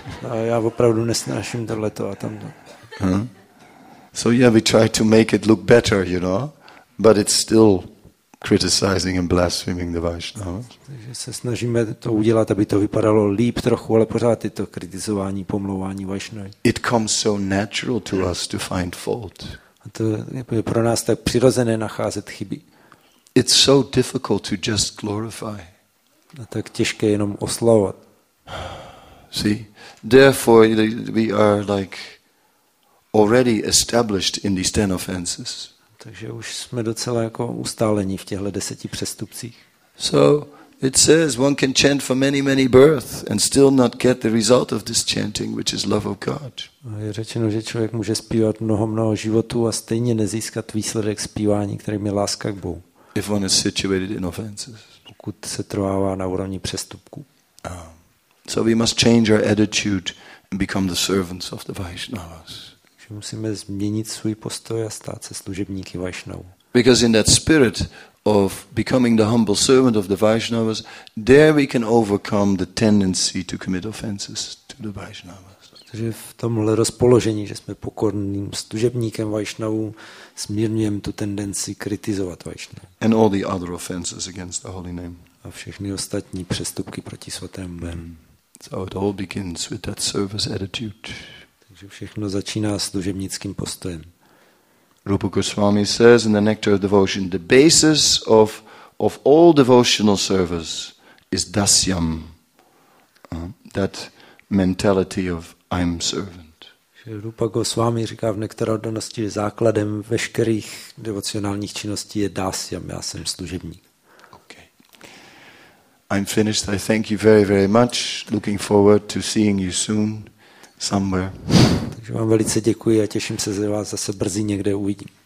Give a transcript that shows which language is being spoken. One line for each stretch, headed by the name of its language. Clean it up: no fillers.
Czech: A já opravdu nesnáším tohleto a tamto.
English: So yeah, we try to make it look better, you know, but it's still criticizing and blaspheming the Vaishnava.
Czech: Takže se snažíme to udělat, aby to vypadalo líp trochu, ale pořád je to kritizování, pomlouvání Vaishnavy.
English: It comes so natural to us to find fault.
Czech: A to je pro nás tak přirozené nacházet chyby.
English: It's so difficult to just glorify.
Czech: A tak těžké jenom oslavovat.
English: See, therefore we are like already established in these 10 offenses.
Czech: Takže už jsme docela jako ustálení v těchto 10 přestupcích.
English: So it says one can chant for many, many births and still not get the result of this chanting, which is love of God.
Czech: Je řečeno, že člověk může zpívat mnoho, mnoho životů a stejně nezískat výsledek zpívání, kterým je láska k Bohu.
English: If one is situated in offenses.
Czech: Pokud se trvává na úrovni přestupku.
English: So we must change our attitude and become the servants of the Vaishnavas.
Czech: Musíme změnit svůj postoj a stát se služebníky Vaishnavů.
English: Because in that spirit of becoming the humble servant of the Vaishnavas, there we can overcome the tendency to commit offenses to the Vaishnavas.
Czech: Takže v tomhle rozpoložení, že jsme pokorným služebníkem Vaishnavů, smírňujeme tu tendenci kritizovat Vaishnavu.
English: And all the other offenses against the holy name.
Czech: A všechny ostatní přestupky proti svatému jménu.
English: So it all begins with that service attitude.
Czech: Takže všechno začíná služebnickým postojem.
English: Rupa Goswami says in the Nectar of Devotion, the basis of all devotional service is dasyam. That mentality of I'm servant.
Czech: Rupa Goswami říká v nektarodnosti, že základem veškerých devocionálních činností je dásyam, já jsem služebník.
English: Okay. I'm finished. I thank you very, very much. Looking forward to seeing you soon somewhere.
Czech: Takže vám velice děkuji a těším se, že vás zase brzy někde uvidím.